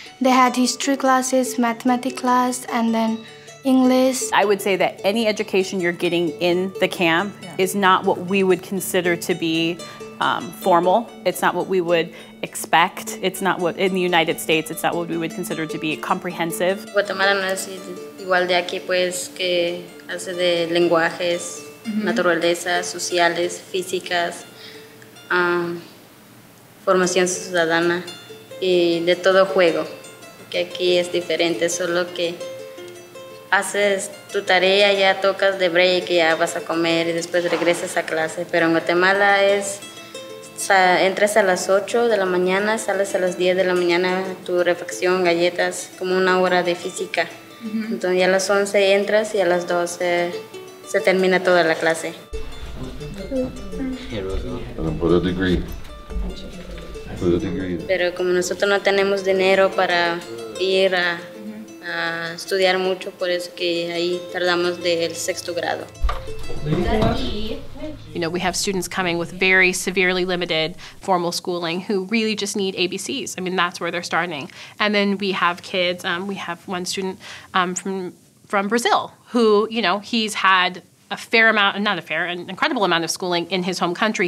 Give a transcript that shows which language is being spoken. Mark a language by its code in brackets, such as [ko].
[en] They had history classes, mathematics class, and then English. I would say that any education you're getting in the camp is not what we would consider to be formal. It's not what we would expect. It's not what, in the United States, it's not what we would consider to be comprehensive. [es] Guatemala no es igual de aquí, pues, que hace de lenguajes, naturaleza, sociales, físicas, formación ciudadana y de todo juego. Que aquí es diferente, solo que haces tu tarea, ya tocas de break, ya vas a comer y después regresas a clase. Pero en Guatemala es. O sea, entras a las 8 de la mañana, sales a las 10 de la mañana, tu refacción, galletas, como una hora de física. Mm-hmm. Entonces, ya a las 11 entras y a las 12 se termina toda la clase. [en] Put a degree. Put a degree. [es] Pero como nosotros no tenemos dinero para ir a estudiar mucho, por eso que ahí tardamos del sexto grado. [en] You know, we have students coming with very severely limited formal schooling who really just need ABCs. I mean, that's where they're starting. And then we have kids, we have one student from Brazil who, you know, he's had a fair amount, not a fair, an incredible amount of schooling in his home country.